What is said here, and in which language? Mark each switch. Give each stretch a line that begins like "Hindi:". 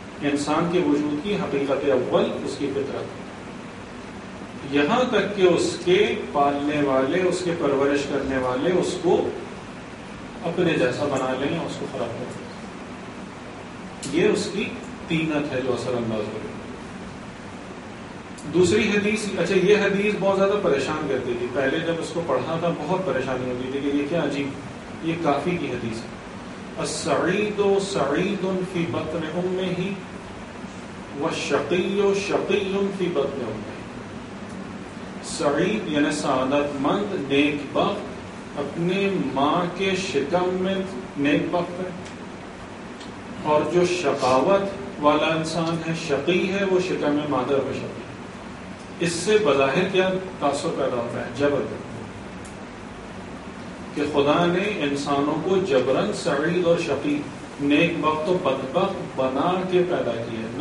Urdu: انسان کے وجود کی حقیقت اول اس کی فطرت، یہاں تک کہ اس کے پالنے والے، اس کے پرورش کرنے والے اس کو اپنے جیسا بنا لیں یا اس کو خراب کر لیں، یہ اس کی تینت ہے جو اثر انداز ہو رہی. دوسری حدیث، اچھا یہ حدیث بہت زیادہ پریشان کرتی تھی، پہلے جب اس کو پڑھا تھا بہت پریشانی ہوتی تھی کہ یہ کیا عجیب، یہ کافی کی حدیث ہے.
Arabic: السعید سعید فی بطن امه والشقی شقی فی بطن امه.
Urdu: سعید یعنی سعادت مند، نیک بخت اپنے ماں کے شکم میں نیک بخت ہے، اور جو شقاوت والا انسان ہے، شقی ہے، وہ شکم میں مادر و شقی. اس سے بظاہر کیا تاثر پیدا ہوتا ہے؟ جبر، کہ خدا نے انسانوں کو جبرن سعید اور شقی، نیک بخت و بدبخت بنا کے پیدا کیا ہے.